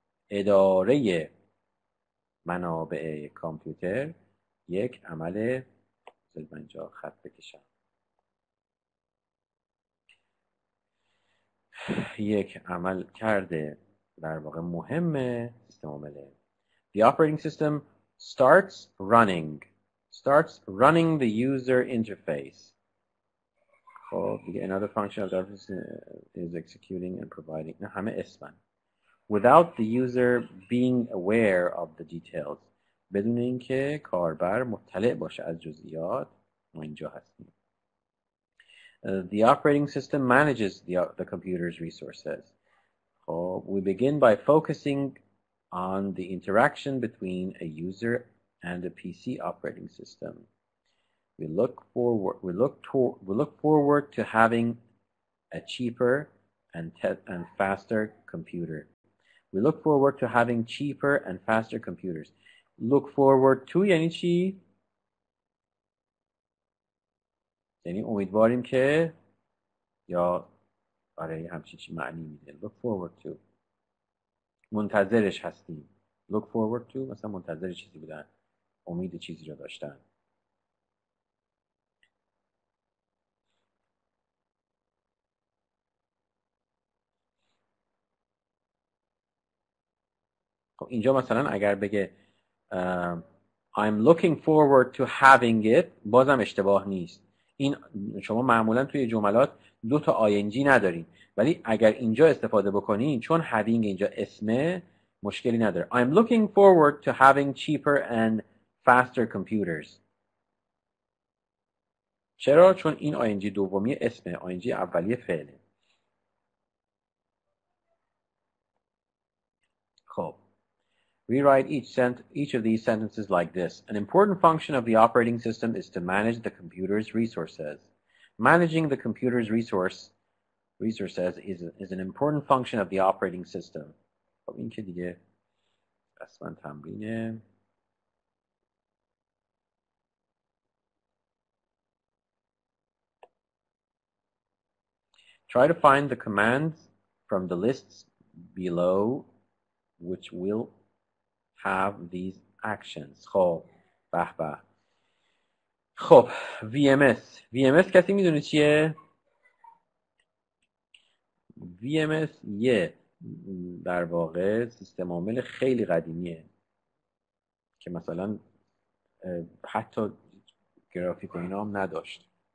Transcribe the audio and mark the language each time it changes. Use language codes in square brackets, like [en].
[fa] اداره منابع کامپیوتر یک عمل، بذارید من اینجا خط بکشم، یک عمل کرده در واقع مهمه سیستم عامله. [en] The operating system starts running the user interface. [fa] خب دیگه [en] another function of the operating system is executing and providing. [fa] نه همه اسمن. [en] Without the user being aware of the details. [fa] بدون اینکه کاربر مطلع باشه از جزئیات، ما اینجا هستیم. [en] The operating system manages the computer's resources. We begin by focusing on the interaction between a user and a PC operating system. We look forward to having a cheaper and faster computer. We look forward to having cheaper and faster computers. Look forward to [fa] یعنی چی؟ یعنی امیدواریم که، یا برای همچین چی معنی میده. [en] Look forward to، [fa] منتظرش هستیم. [en] Look forward to [fa] مثلا منتظر چیزی بودن، امید چیزی رو داشتن. خب اینجا مثلا اگر بگه [en] I'm looking forward to having it، [fa] بازم اشتباه نیست. این شما معمولا توی جملات دو تا ing ندارین، ولی اگر اینجا استفاده بکنین چون having اینجا اسمه مشکلی نداره. [en] I'm looking forward to having cheaper and faster computers. [fa] چرا؟ چون این ing دومی اسمه، ing اولی فعله. خب [en] rewrite each of these sentences like this. An important function of the operating system is to manage the computer's resources. Managing the computer's resources is an important function of the operating system. [fa] خب این که دیگه اصلا تمرینه. [en] Try to find the commands from the lists below which will have these actions. [fa] خب به به. خب VMS کسی میدونه چیه؟ VMS یه در واقع سیستم عامل خیلی قدیمیه که مثلا حتی گرافیک و اینا هم نداشت.